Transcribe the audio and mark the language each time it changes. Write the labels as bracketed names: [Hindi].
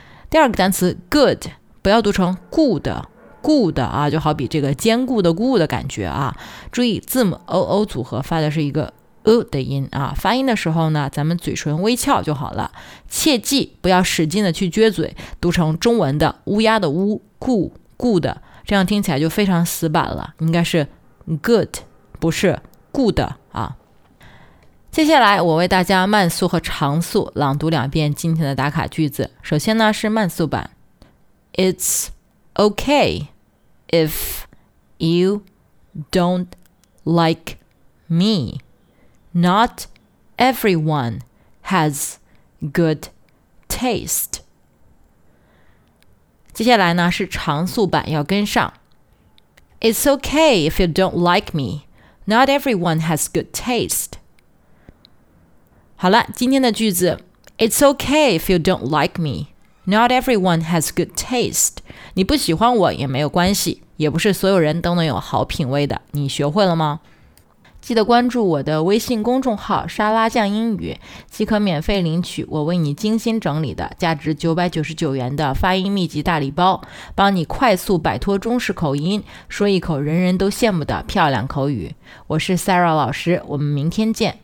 [Chinese] 第二个单词 good 不要读成 good 啊，就好比这个坚固的固的感觉啊，注意字母 OO 组合发的是一个 U 的音啊，发音的时候呢咱们嘴唇微翘就好了，切记不要使劲的去撅嘴，读成中文的乌鸦的乌 good 这样听起来就非常死板了，应该是 good 不是 good 啊。接下来我为大家慢速和长速朗读两遍今天的打卡句子，首先呢是慢速版。 [English] It'sOkay, if you don't like me, not everyone has good taste. [Chinese] 接下来呢是长速版，要跟上。 [English] It's okay if you don't like me, not everyone has good taste. [Chinese] 好了，今天的句子 [English] It's okay if you don't like me. Not everyone has good taste. [Chinese] 你不喜欢我也没有关系，也不是所有人都能有好品味的。你学会了吗？记得关注我的微信公众号沙拉酱英语，即可免费领取我为你精心整理的价值999元的发音秘籍大礼包，帮你快速摆脱中式口音，说一口人人都羡慕的漂亮口语。我是 Sarah 老师，我们明天见。